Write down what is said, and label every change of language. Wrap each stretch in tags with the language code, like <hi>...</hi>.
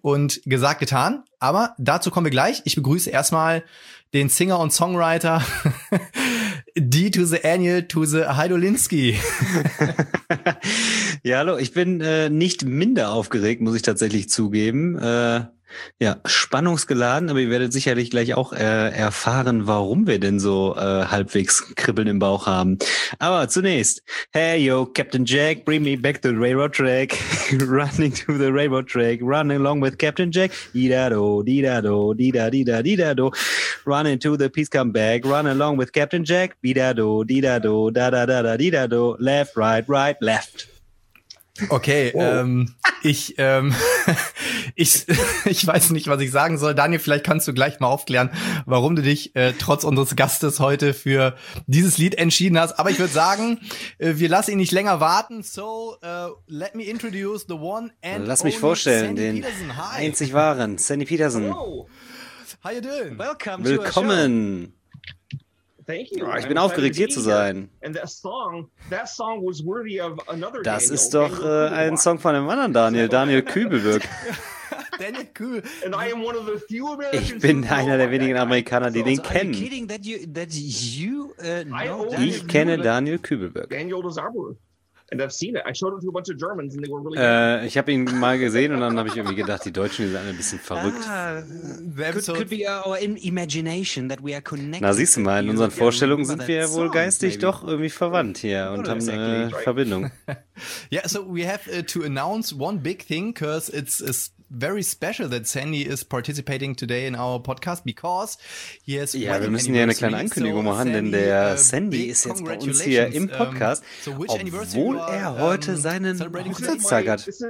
<de>Und gesagt, getan. Aber dazu kommen wir gleich. Ich begrüße erstmal den Singer und Songwriter D to the Annual to the Heidolinski. Ja, hallo. Ich bin nicht minder aufgeregt, muss ich tatsächlich zugeben. Ja, spannungsgeladen, aber ihr werdet sicherlich gleich auch erfahren, warum wir denn so halbwegs Kribbeln im Bauch haben. Aber zunächst,</de> <en>hey yo, Captain Jack, bring me back to the railroad track, running to the railroad track, running along with Captain Jack, di-da-do, di-da-do, di-da-di-da, di-da-do, running to the peace come back, run along with Captain Jack, di-da-do, di-da-do, da-da-da-da, di-da-do, left, right, right, left.</en> <de>Okay, ich weiß nicht, was ich sagen soll. Daniel, vielleicht kannst du gleich mal aufklären, warum du dich trotz unseres Gastes heute für dieses Lied entschieden hast. Aber ich würde sagen, wir lassen ihn nicht länger warten.</de> <en>So, let me introduce the one and only.</en> <de>Lass mich vorstellen, Sandy den Peterson.</de> <en>Hi.</en> <de>Einzig wahren Sandy Peterson.</de> <en>Hello. How you doing? Welcome</en> <de>Willkommen.</de> <en>Thank you.</en> <de>Oh, ich bin aufgeregt, hier zu sein. Das ist doch ein Song von einem anderen Daniel, Daniel Kübelböck. Daniel Kübel.</de> <en>And I am one of the few Americans.</en> <de>Ich bin einer der wenigen Amerikaner, die den kennen. Ich kenne Daniel Kübelböck. Ich habe ihn mal gesehen und dann habe ich irgendwie gedacht, die Deutschen sind ein bisschen verrückt.</de> <en>Could be our imagination that we are connected.</en> <de>Na, siehst du mal, in unseren Vorstellungen sind wir wohl geistig doch irgendwie verwandt hier und haben eine Verbindung.</de> <en>Yeah, so we have to announce one big thing, because it's very special that Sandy is participating today in our podcast, because he has...</en> <de>Ja, wir müssen ja eine kleine Ankündigung machen, denn der Sandy ist jetzt bei uns hier im Podcast, obwohl er heute seinen Hochzeitstag hat.</de>